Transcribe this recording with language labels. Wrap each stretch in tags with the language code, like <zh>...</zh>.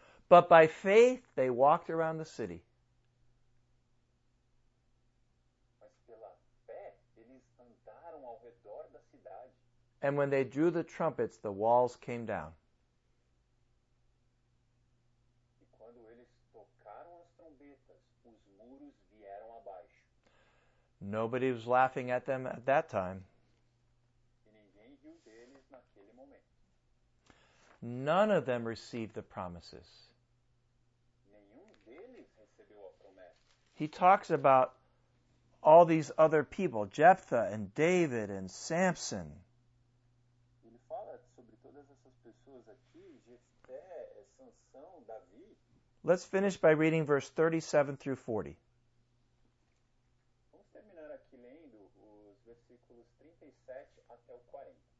<en>But by faith, they walked around the city.</en> <pt>Mas pela fé, eles andaram ao redor da cidade.</pt> <en>And when they drew the trumpets, the walls came down.</en> <pt>E quando eles tocaram as trombetas, os muros vieram abaixo.</pt> <en>Nobody was laughing at them at that time.</en> <pt>E ninguém riu deles naquele momento.</pt> <en>None of them received the promises.</en> <pt>Nenhum deles recebeu a promessa.</pt> <en>He talks about all these other people, Jephthah and David and Samson.</en> <pt>Ele fala sobre todas essas pessoas aqui, Jefté, Sansão, Davi.</pt> <en>Let's finish by reading verse 37 through 40.</en> <pt>Vamos terminar aqui lendo os versículos 37 até o 40.</pt>